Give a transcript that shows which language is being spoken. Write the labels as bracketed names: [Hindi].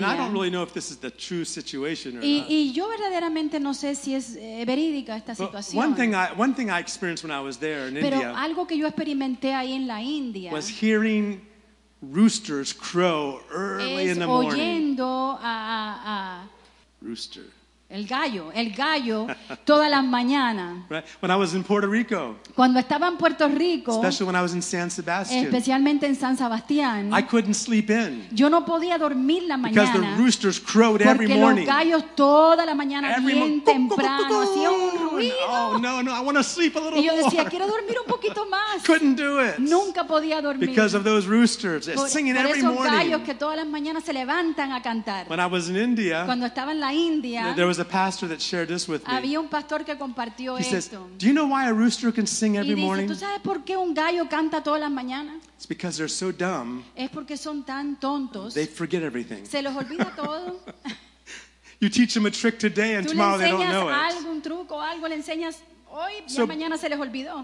[English] and I don't really know if this is the true situation or not. [Spanish] Y yo verdaderamente no sé si es verídica esta situación. [English] One thing I experienced when I was there in [Spanish] pero [English] India, [Spanish] algo que yo experimenté ahí en la India, [English] was hearing roosters crow early in the morning. [Spanish] Oyendo a [English] rooster. [Spanish] El gallo todas las mañanas. [English] Right. When I was in Puerto Rico. [Spanish] Cuando estaba en Puerto Rico. [English] Especially when I was in San Sebastian. [Spanish] Especialmente en San Sebastián. [English] I couldn't sleep in. [Spanish] Yo no podía dormir la mañana. [English] Because the roosters crowed every morning. [Spanish] Porque los gallos toda la mañana bien temprano hacían un ruido. [English] No, I want to sleep a little more. [Spanish] Y yo decía, quiero dormir un poquito más. [English] Couldn't do it. [Spanish] Nunca podía dormir. [English] Because of those roosters singing every morning. [Spanish] Por esos gallos que todas las mañanas se levantan a cantar. [English] When I was in India. [Spanish] Cuando estaba en la India. [English] There was a pastor that shared this with me. [Spanish] Había un pastor que compartió [English] he [Spanish] esto. [English] Says, do you know why a rooster can sing every [Spanish] y dice, [English] morning? [Spanish] ¿Tú sabes por qué un gallo canta todas las mañanas? [English] It's because they're so dumb. [Spanish] Es porque son tan tontos. [English] They forget everything. [Spanish] Se los olvida todo. [English] You teach them a trick today and [Spanish] tú [English] tomorrow they don't know it. [Spanish] Tú le enseñas algún truco, algo le enseñas hoy, so ya mañana se les olvidó.